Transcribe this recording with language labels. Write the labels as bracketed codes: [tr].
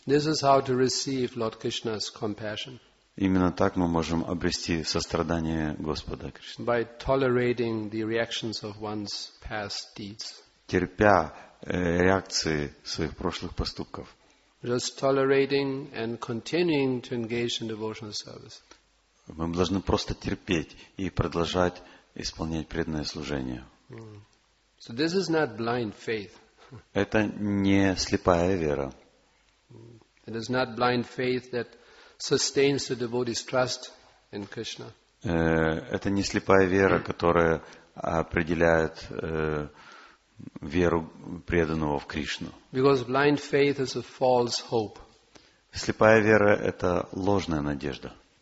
[en] This is how to receive Lord Krishna's compassion. [ru] Именно так мы можем обрести сострадание Господа Кришны. [en] By tolerating the reactions of one's past deeds. [ru] Терпя реакции своих прошлых поступков. [en] Just tolerating and continuing to engage in devotional service. [ru] Мы должны просто терпеть и продолжать исполнять преданное служение. [en] So this is not blind faith. [ru] Это не слепая вера. [en] It is not blind faith that sustains the devotee's trust in Krishna. [ru] Это не слепая вера, которая определяет веру преданного в Кришну. [en] Because blind faith is a false hope. [ru] Слепая вера – это ложная надежда.